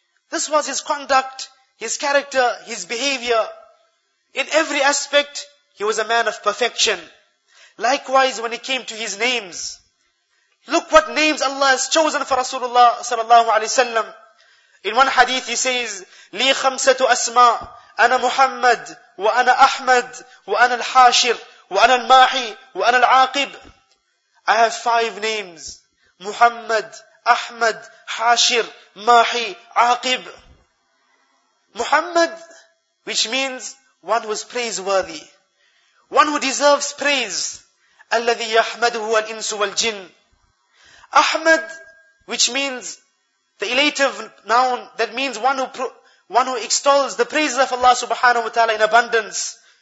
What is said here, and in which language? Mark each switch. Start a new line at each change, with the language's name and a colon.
English: This was his conduct, his character, his behavior. In every aspect, he was a man of perfection. Likewise, when it came to his names, look what names Allah has chosen for Rasulullah sallallahu alaihi wasallam.
Arabic: In one hadith he says, لي خمسة أسماء أنا محمد وأنا أحمد وأنا الحاشر وأنا الماحي وأنا العاقب.
English: I have five names: Muhammad, Ahmad, Hashir, Mahi, Aqib. Muhammad, which means one who is praiseworthy, one who deserves praise.
Arabic: Alladhi yahmaduhu al-insu wal-jinn.
English: Ahmad, which means the elative noun, that means one who extols the praises of Allah subhanahu wa ta'ala in abundance.